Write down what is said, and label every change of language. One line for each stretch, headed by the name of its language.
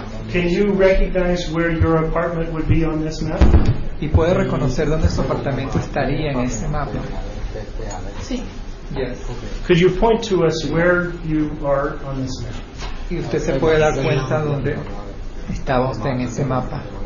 English: Can you recognize where your apartment would be on this map?
Spanish: ¿Y puede reconocer dónde su apartamento estaría en ese mapa? Sí.
English: Yes. Could you point to us where you are on this map?
Spanish: ¿Y usted se puede dar cuenta dónde estaba usted en ese mapa?